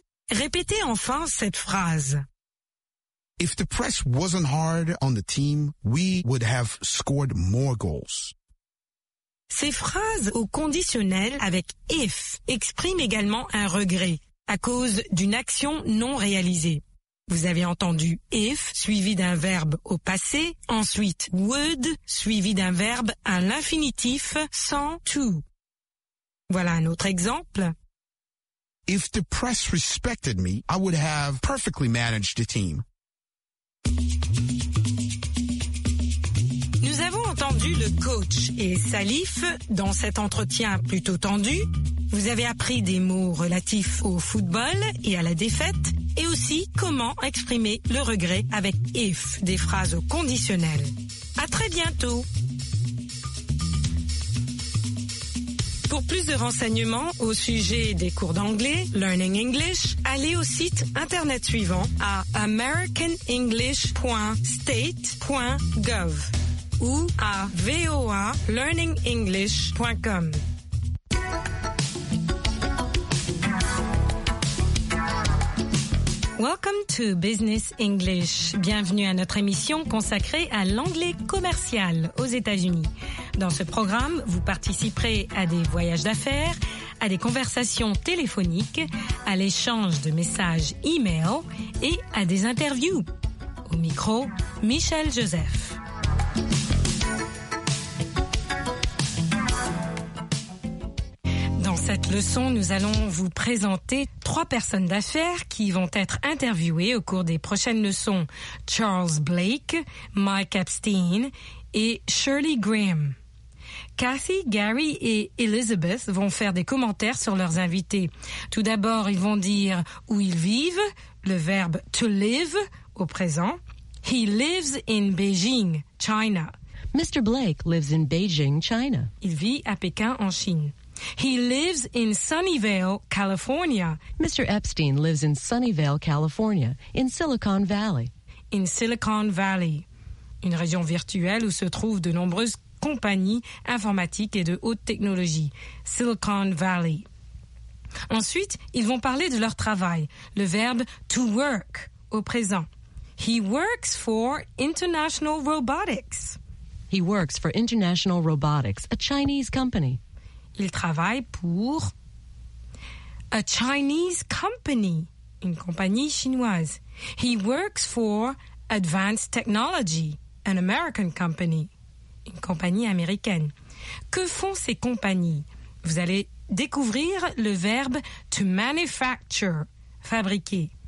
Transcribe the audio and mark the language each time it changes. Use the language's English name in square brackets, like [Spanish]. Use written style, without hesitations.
[French] Répétez enfin cette phrase. [English] If the press wasn't hard on the team, we would have scored more goals. [French] Ces phrases au conditionnel avec if expriment également un regret à cause d'une action non réalisée. Vous avez entendu if suivi d'un verbe au passé, ensuite would suivi d'un verbe à l'infinitif sans to. Voilà un autre exemple. [English] If the press respected me, I would have perfectly managed the team. [French] Nous avons entendu le coach et Salif dans cet entretien plutôt tendu. Vous avez appris des mots relatifs au football et à la défaite et aussi comment exprimer le regret avec if, des phrases au conditionnel. À très bientôt. Pour plus de renseignements au sujet des cours d'anglais, Learning English, allez au site internet suivant à americanenglish.state.gov ou à voalearningenglish.com. [English] Welcome to Business English. [French] Bienvenue à notre émission consacrée à l'anglais commercial aux États-Unis. Dans ce programme, vous participerez à des voyages d'affaires, à des conversations téléphoniques, à l'échange de messages e-mail et à des interviews. Au micro, Michel Joseph. Cette leçon, nous allons vous présenter trois personnes d'affaires qui vont être interviewées au cours des prochaines leçons. Charles Blake, Mike Epstein et Shirley Graham. Cathy, Gary et Elizabeth vont faire des commentaires sur leurs invités. Tout d'abord, ils vont dire où ils vivent, le verbe to live au présent. [English] He lives in Beijing, China. Mr. Blake lives in Beijing, China. [French] Il vit à Pékin en Chine. [English] He lives in Sunnyvale, California. Mr. Epstein lives in Sunnyvale, California, in Silicon Valley. [French] In Silicon Valley, une région virtuelle où se trouvent de nombreuses compagnies informatiques et de haute technologie. Silicon Valley. Ensuite, ils vont parler de leur travail, le verbe to work au présent. [English] He works for International Robotics. He works for International Robotics, a Chinese company. [French] Il travaille pour [English] a Chinese company, [French] une compagnie chinoise. [English] He works for Advanced Technology, an American company, [French] une compagnie américaine. Que font ces compagnies? Vous allez découvrir le verbe to manufacture, fabriquer.